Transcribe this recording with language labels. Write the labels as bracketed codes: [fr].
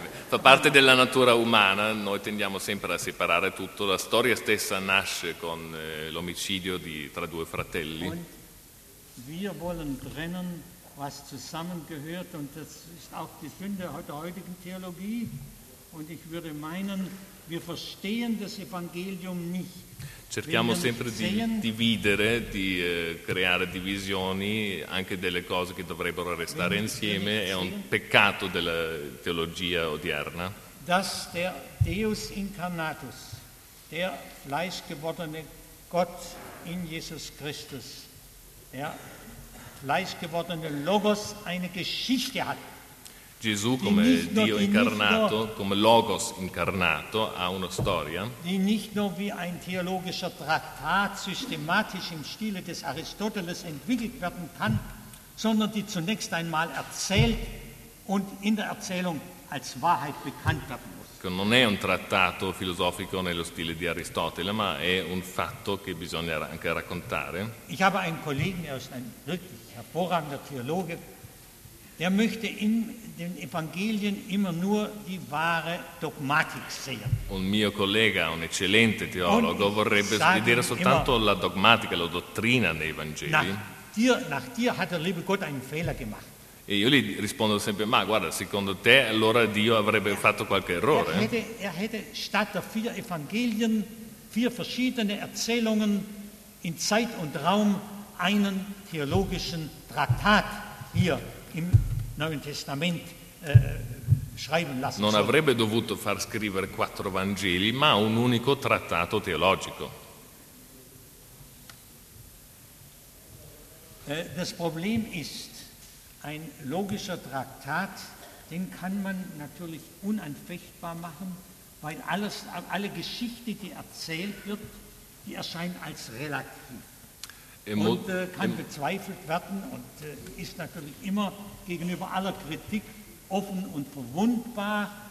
[it] Fa parte della natura umana, noi tendiamo sempre a separare tutto. La storia stessa nasce con l'omicidio tra due fratelli. [de] Und wir wollen trennen, was zusammengehört, und das ist auch die Sünde der heutigen Theologie, und ich würde meinen, wir verstehen das Evangelium nicht. [it] Cerchiamo sempre di dividere, di creare divisioni, anche delle cose che dovrebbero restare insieme, è un peccato della teologia odierna. [de] Dass der Deus incarnatus, der fleischgewordene Gott in Jesus Christus, ja, fleischgewordene Logos eine Geschichte hat. [it] Gesù come Dio incarnato, come Logos incarnato, ha una storia. [de] Die nicht nur wie ein theologischer Traktat systematisch im Stile des Aristoteles entwickelt werden kann, sondern die zunächst einmal erzählt und in der Erzählung als Wahrheit bekannt werden muss. [it] Non è un trattato filosofico nello stile di Aristotele, ma è un fatto che bisogna anche raccontare. [de] Ich habe einen Kollegen, er ist ein wirklich hervorragender Theologe, der möchte in den Evangelien immer nur die wahre Dogmatik sehen. [it] Un mio collega, un eccellente teologo, vorrebbe vedere soltanto immer, la dogmatica, la dottrina nei Vangeli. [de] Nach dir hat der liebe Gott einen Fehler gemacht. [it] E io gli rispondo sempre, ma guarda, secondo te allora Dio avrebbe fatto qualche errore? [de] Er hätte statt der vier Evangelien, vier verschiedene Erzählungen in Zeit und Raum einen theologischen Traktat hier im Neuen Testament schreiben lassen. [it] Non avrebbe dovuto far scrivere quattro Vangeli, ma un unico trattato teologico. [de] Das Problem ist, ein logischer Traktat, den kann man natürlich unanfechtbar machen, weil alle Geschichte, die erzählt wird, die erscheinen als relativ. Und kann bezweifelt werden und ist natürlich immer gegenüber aller Kritik offen und verwundbar.